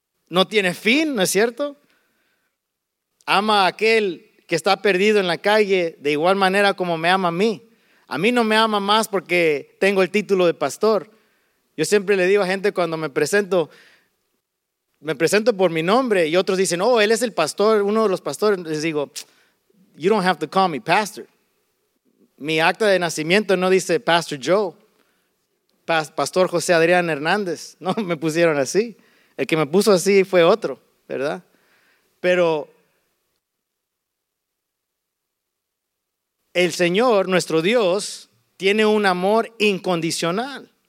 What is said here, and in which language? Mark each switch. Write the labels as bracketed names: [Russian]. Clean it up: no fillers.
[Spanish] no tiene fin, ¿no es cierto? Ama a aquel que está perdido en la calle de igual manera como me ama a mí. A mí no me ama más porque tengo el título de pastor. Yo siempre le digo a gente cuando me presento por mi nombre y otros dicen, oh, él es el pastor, uno de los pastores. Les digo, [English] you don't have to call me pastor. [Spanish] Mi acta de nacimiento no dice Pastor Joe, Pastor José Adrián Hernández. No, me pusieron así. El que me puso así fue otro, ¿verdad? Pero el Señor, nuestro Dios, tiene un amor incondicional.